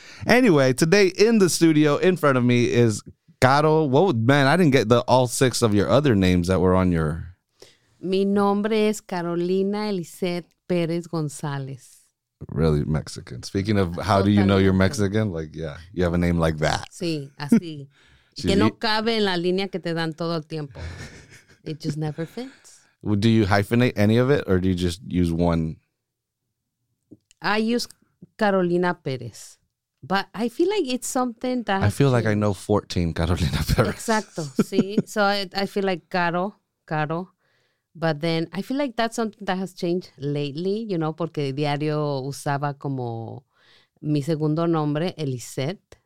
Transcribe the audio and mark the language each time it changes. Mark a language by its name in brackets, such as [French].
[English] Anyway, today in the studio in front of me is Caro, I didn't get the all six of your other names that were on your... [Spanish] Mi nombre es Carolina Elisette Perez González. [English] Really Mexican. Speaking of how do you know you're Mexican? Like, yeah, you have a name like that. [Spanish] Sí, así. Que no cabe en la línea que te dan todo el tiempo. [English] It just never fits. Do you hyphenate any of it or do you just use one? I use Carolina Perez. But I feel like it's something that... I feel like I know 14 Carolina Perez. [Spanish] Exacto, sí. [English] So I feel like Caro. But then I feel like that's something that has changed lately, you know, [Spanish] porque diario usaba como mi segundo nombre, [English] Elisette.